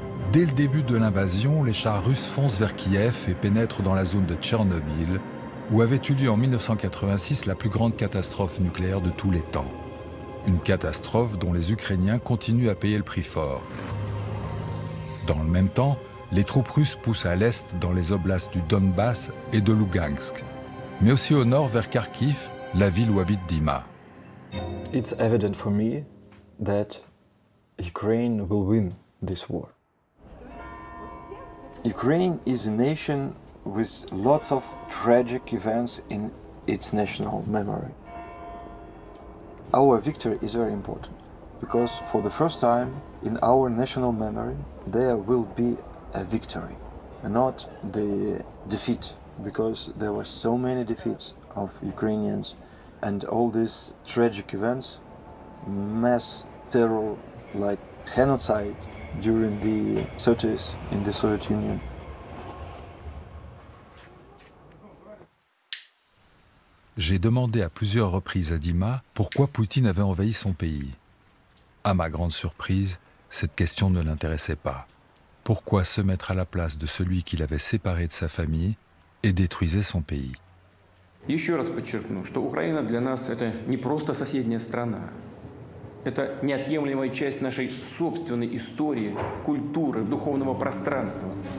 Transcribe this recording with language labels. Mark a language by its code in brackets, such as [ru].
[fr] Dès le début de l'invasion, les chars russes foncent vers Kiev et pénètrent dans la zone de Tchernobyl, où avait eu lieu en 1986 la plus grande catastrophe nucléaire de tous les temps. Une catastrophe dont les Ukrainiens continuent à payer le prix fort. Dans le même temps, les troupes russes poussent à l'est dans les oblasts du Donbass et de Lugansk, mais aussi au nord vers Kharkiv, la ville où habite Dima. [en] It's evident for me that Ukraine will win this war. Ukraine is a nation with lots of tragic events in its national memory. Our victory is very important because for the first time in our national memory there will be a victory, not the defeat, because there were so many defeats of Ukrainians and all these tragic events, mass terror like genocide during the 30s in the Soviet Union. [fr] J'ai demandé à plusieurs reprises à Dima pourquoi Poutine avait envahi son pays. À ma grande surprise, cette question ne l'intéressait pas. Pourquoi se mettre à la place de celui qui l'avait séparé de sa famille et détruisait son pays? [ru] Еще раз подчеркну, что Украина для нас это не просто соседняя страна. Это неотъемлемая часть нашей собственной истории, культуры, духовного пространства.